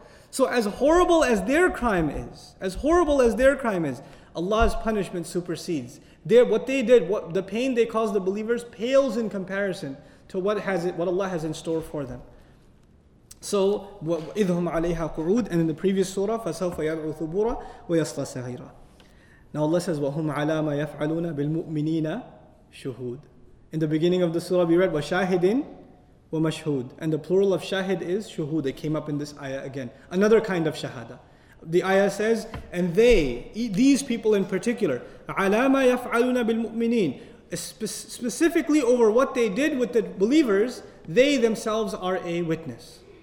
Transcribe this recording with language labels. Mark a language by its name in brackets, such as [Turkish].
[English] So as horrible as their crime is, as horrible as their crime is, Allah's punishment supersedes. What the pain they caused the believers pales in comparison to what Allah has in store for them. So, [Arabic] إِذْهُمْ عَلَيْهَا قُعُودٌ. [English] And in the previous surah, [Arabic] فَسَوْفَ يَدْعُو ثُبُورًا وَيَصْلَى سَعِيرًا. [English] Now Allah says, [Arabic] وَهُمْ عَلَى مَا يَفْعَلُونَ بِالْمُؤْمِنِينَ شُهُودٌ. [English] In the beginning of the surah we read, [Arabic] وَشَاهِدٍ وَمَشْهُودٌ. [English] And the plural of shahid is shuhud. It came up in this ayah again. Another kind of shahada. The ayah says, and they, these people in particular, [Arabic] عَلَى مَا يَفْعَلُونَ بِالْمُؤْمِنِينَ. [English] Specifically over what they did with the believers, they themselves are a witness.